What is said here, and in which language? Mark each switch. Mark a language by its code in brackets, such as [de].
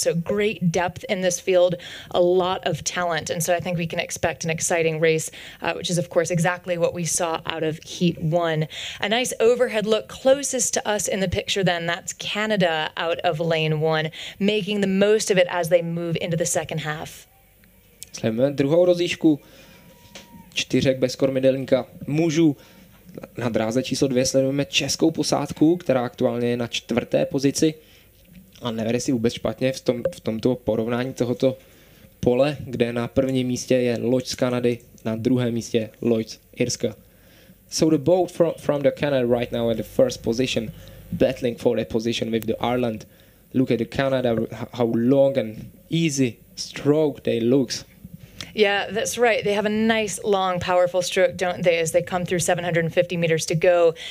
[en] So great depth in this field, a lot of talent. And so I think we can expect an exciting race, which is of course exactly what we saw out of heat 1. A nice overhead look closest to us in the picture then, that's Canada out of lane 1, making the most of it as they move into the second half. [cs] Sledujeme druhou rozjížku čtyřek bez kormidelníka mužů. Na dráze číslo 2 sledujeme českou posádku, která aktuálně je na 4. pozici a nevede si vůbec špatně v tomto porovnání tohoto pole, kde na prvním místě je loď z Kanady, na druhém místě loď z Irska. [en] So the boat from the Canada right now at the first position, battling for the position with the Ireland. Look at the Canada, how long and easy stroke they looks. Yeah, that's right. They have a nice, long, powerful stroke, don't they, as they come through 750 meters to go.